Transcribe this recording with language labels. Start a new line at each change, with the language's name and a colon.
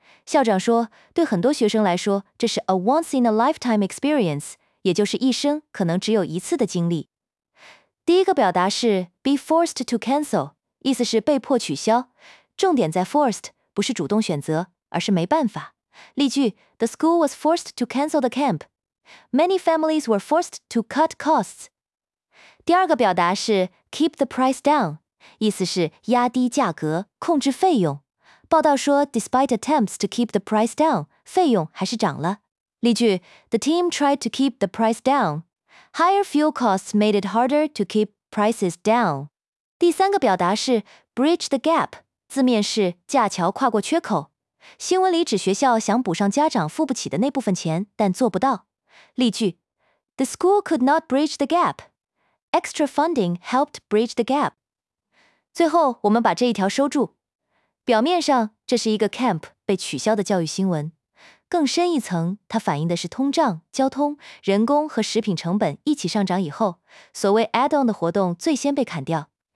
Chinese: 校长说，对很多学生来说，这是
English: a once in a lifetime experience，
Chinese: 也就是一生可能只有一次的经历。第一个表达是
English: be forced to cancel，
Chinese: 意思是被迫取消，重点在 forced。不是主动选择，而是没办法。
English: 例句 ：The school was forced to cancel the camp. Many families were forced to cut costs.
Chinese: 第二个表达是
English: keep the price down，
Chinese: 意思是压低价格，控制费用。报道说 ，
English: despite attempts to keep the price down，
Chinese: 费用还是涨了。
English: 例句 ：The team tried to keep the price down. Higher fuel costs made it harder to keep prices down.
Chinese: 第三个表达是
English: bridge the gap。
Chinese: 字面是架桥跨过缺口，新闻里指学校想补上家长付不起的那部分钱，但做不到。
English: 例句 ：The school could not bridge the gap. Extra funding helped bridge the gap.
Chinese: 最后，我们把这一条收住。表面上，这是一个 camp 被取消的教育新闻，更深一层，它反映的是通胀、交通、人工和食品成本一起上涨以后，所谓 add-on 的活动最先被砍掉。